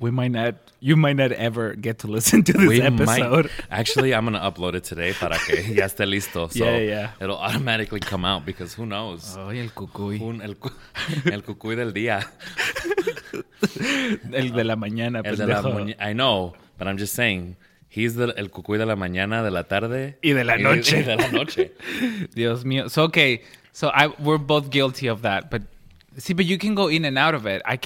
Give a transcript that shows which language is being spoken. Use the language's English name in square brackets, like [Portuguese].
[English] You might not ever get to listen to this episode. Actually, I'm going to upload it today [Spanish] para que ya esté listo. [English] So it'll automatically come out because who knows? [Spanish] Oh, y el cucuy. El cucuy del día. El de la mañana, [English] I know, but I'm just saying. He's the [Spanish] el cucuy de la mañana, de la tarde. Y de la noche. Y de la noche. Dios mío. [English] So, okay. So we're both guilty of that, but. See, but you can go in and out of it.